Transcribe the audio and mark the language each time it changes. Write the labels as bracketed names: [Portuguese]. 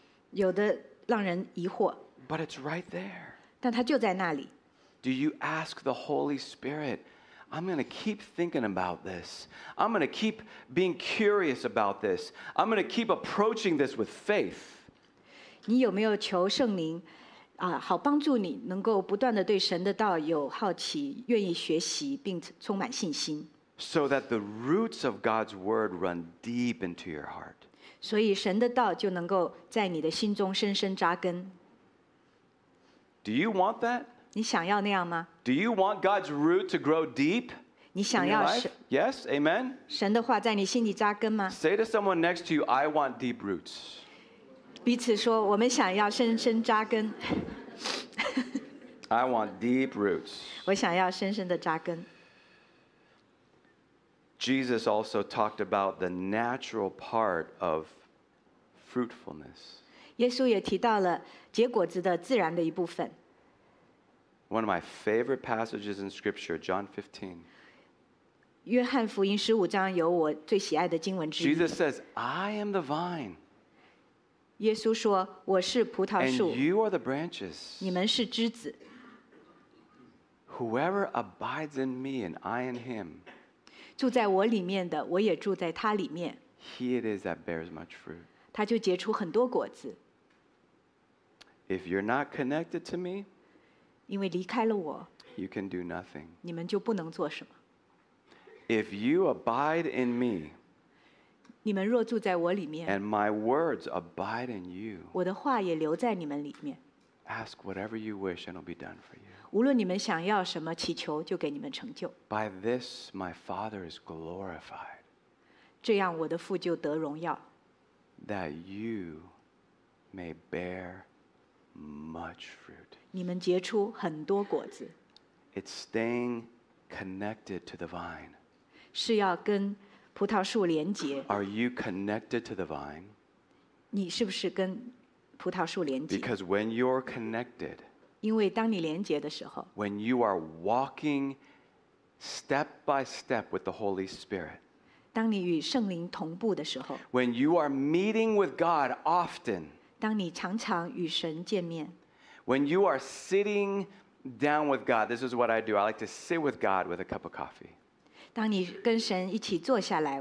[Chinese] 有的让人疑惑, [English] but it's right there. [Chinese] 但它就在那里。 [English] Do you ask the Holy Spirit, I'm going to keep thinking about this. I'm going to keep being curious about this. I'm going to keep approaching this with faith. [Chinese] 你有没有求圣灵, 好帮助你, 能够不断地对神的道有好奇, 愿意学习, 并充满信心。 [English] So that the roots of God's word run deep into your heart. [Chinese] 所以神的道就能够在你的心中深深扎根。 [English] Do you want that? [Chinese] 你想要那样吗? [English] Do you want God's root to grow deep? [Chinese] 你想要神, [English] yes, amen? [Chinese] 神的话在你心里扎根吗? [English] Say to someone next to you, I want deep roots. [Chinese] 彼此说,我们想要深深扎根。 [English] I want deep roots. [Chinese] 我想要深深的扎根。 [English] Jesus also talked about the natural part of fruitfulness. [Chinese] 耶稣也提到了结果子的自然的一部分。 [English] One of my favorite passages in Scripture, John 15. [Chinese] 约翰福音15章有我最喜爱的经文之一。 [English] Jesus says, I am the vine. [Chinese] 耶稣说,我是葡萄树。 [English] And you are the branches. [Chinese] 你们是枝子。 [English] Whoever abides in me and I in him, [Chinese] 住在我里面的, [English] he it is that bears much fruit. [Chinese] 他就结出很多果子。 [English] If you're not connected to me, [Chinese] 因为离开了我, [English] you can do nothing. [Chinese] 你们就不能做什么。 [English] If you abide in me, [Chinese] 你们若住在我里面, [English] and my words abide in you, [Chinese] 我的话也留在你们里面, [English] ask whatever you wish and it'll be done for you. [Chinese] 无论你们想要什么, 祈求就给你们成就。 [English] By this, my Father is glorified. [Chinese] 这样我的父就得荣耀。 [English] That you may bear much fruit. [Chinese] 你们结出很多果子。 [English] It's staying connected to the vine. [Chinese] 是要跟葡萄树连结。 [English] Are you connected to the vine? [Chinese] 你是不是跟葡萄树连结? [English] Because when you're connected, when you are walking step by step with the Holy Spirit, when you are meeting with God often, when you are sitting down with God, this is what I do. I like to sit with God with a cup of coffee.